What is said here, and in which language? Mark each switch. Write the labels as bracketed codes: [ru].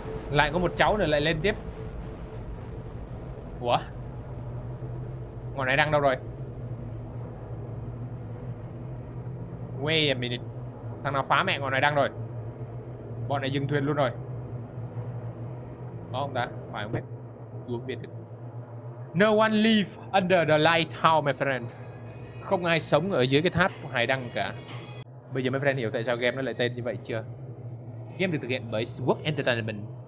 [vi] Lại có một cháu nữa lại lên tiếp. Ủa? Ngoài này đang đâu rồi? [en] Wait a minute. [vi] Thằng nào phá mẹ ngoài này đang rồi. Bọn này dừng thuyền luôn rồi. Có không ta? Phải không biết. Chú không biết được. [en] No one live under the lighthouse my friend. [vi] Không ai sống ở dưới cái tháp hải đăng cả. Bây giờ [en] my friend [vi] hiểu tại sao game nó lại tên như vậy chưa? Game được thực hiện bởi Swoop Entertainment.